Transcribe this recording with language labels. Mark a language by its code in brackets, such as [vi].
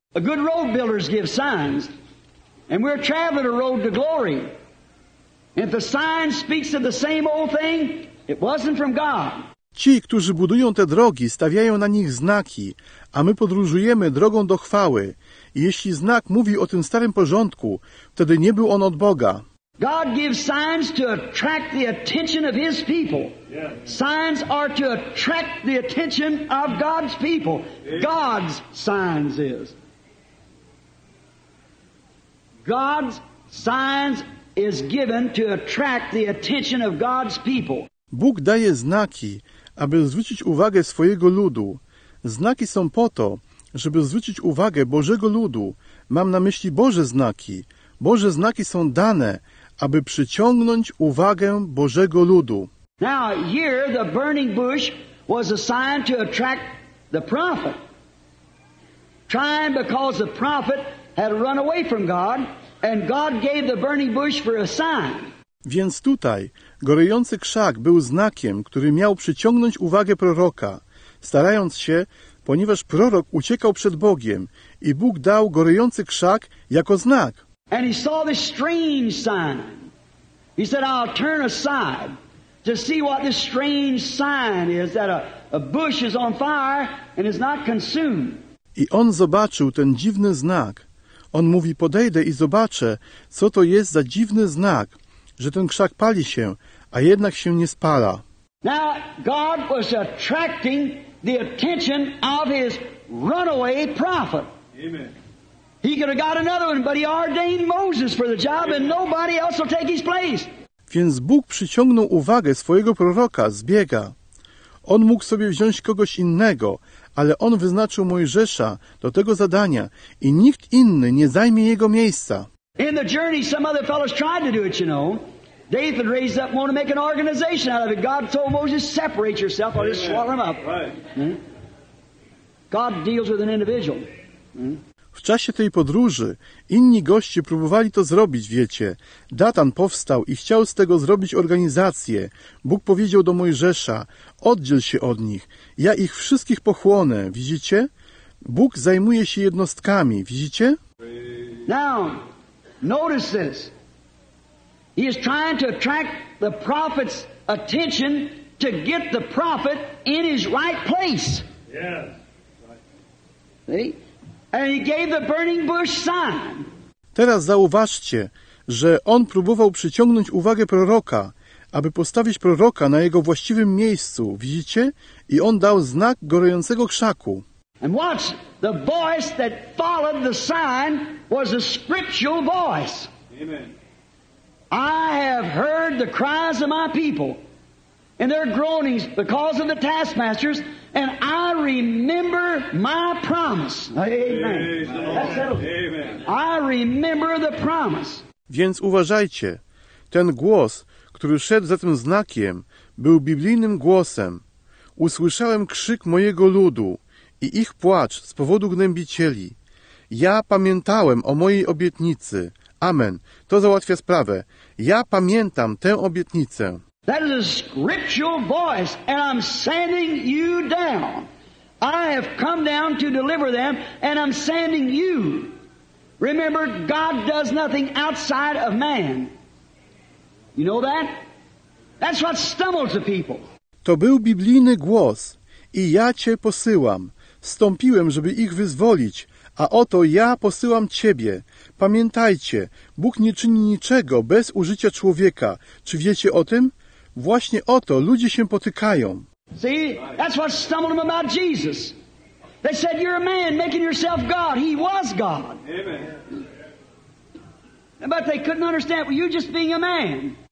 [en] A good road builders give signs, and we're traveling a road to glory. And if the sign speaks of the same old thing, it wasn't from God. [pl] Ci, którzy budują te drogi, stawiają na nich znaki, a my podróżujemy drogą do chwały. I jeśli znak mówi o tym starym porządku, wtedy nie był on od Boga. [en] God gives signs to attract the attention of his people. Signs are to attract the attention of God's people. God's signs is. God's signs is given to attract the attention of God's people. [pl] Bóg daje znaki, aby zwrócić uwagę swojego ludu. Znaki są po to, żeby zwrócić uwagę Bożego ludu. Mam na myśli Boże znaki. Boże znaki są dane, aby przyciągnąć uwagę Bożego ludu. [en] Now here the burning bush was a sign to attract the prophet. Trying because the prophet had run away from God and God gave the burning bush for a sign. [pl] Więc tutaj gorący krzak był znakiem, który miał przyciągnąć uwagę proroka, starając się, ponieważ prorok uciekał przed Bogiem i Bóg dał gorący krzak jako znak. [en] And he saw this strange sign. He said, I'll turn aside to see what this strange sign is, that a bush is on fire and is not consumed. [pl] I on zobaczył ten dziwny znak. On mówi, podejdę i zobaczę, co to jest za dziwny znak, że ten krzak pali się, a jednak się nie spala. [en] Now God was attracting the attention of his runaway prophet. Amen. He could have got another one, but he ordained Moses for the job and nobody else will take his place. [pl] Więc Bóg przyciągnął uwagę swojego proroka, zbiega. On mógł sobie wziąć kogoś innego, ale on wyznaczył Mojżesza do tego zadania i nikt inny nie zajmie jego miejsca. [en] In the journey some other fellows tried to do it, you know. David raised up one to make an organization out of it. God told Moses, separate yourself or just swallow him up. God deals with an individual. [pl] W czasie tej podróży inni goście próbowali to zrobić, wiecie. Datan powstał i chciał z tego zrobić organizację. Bóg powiedział do Mojżesza, oddziel się od nich. Ja ich wszystkich pochłonę, widzicie? Bóg zajmuje się jednostkami, widzicie? [en] Now, notice this. He is trying to attract the prophet's attention to get the prophet in his right place. Yes. Right. See? And he gave the burning bush sign. [pl] Teraz zauważcie, że on próbował przyciągnąć uwagę proroka, aby postawić proroka na jego właściwym miejscu. Widzicie? I on dał znak gorącego krzaku. [en] And watch, the voice that followed the sign was a scriptural voice. Amen. I have heard the cries of my people and their groanings because of the taskmasters. And I remember my promise. Amen. I remember the promise. [pl] Więc uważajcie, ten głos, który szedł za tym znakiem, był biblijnym głosem. Usłyszałem krzyk mojego ludu i ich płacz z powodu gnębicieli. Ja pamiętałem o mojej obietnicy. Amen. To załatwia sprawę. Ja pamiętam tę obietnicę. [en] That is a scriptural voice, and I'm sending you down. I have come down to deliver them, and I'm sending you. Remember, God does nothing outside of man. You know that? That's what stumbles the people. [pl] To był biblijny głos, i ja cię posyłam. Stąpiłem, żeby ich wyzwolić, a oto ja posyłam ciebie. Pamiętajcie, Bóg nie czyni niczego bez użycia człowieka. Czy wiecie o tym? Właśnie o to ludzie się potykają. [en] See, that's what stumbled them about Jesus. They said, you're a man making yourself God. He was God. Amen. But they couldn't understand, you just being a man.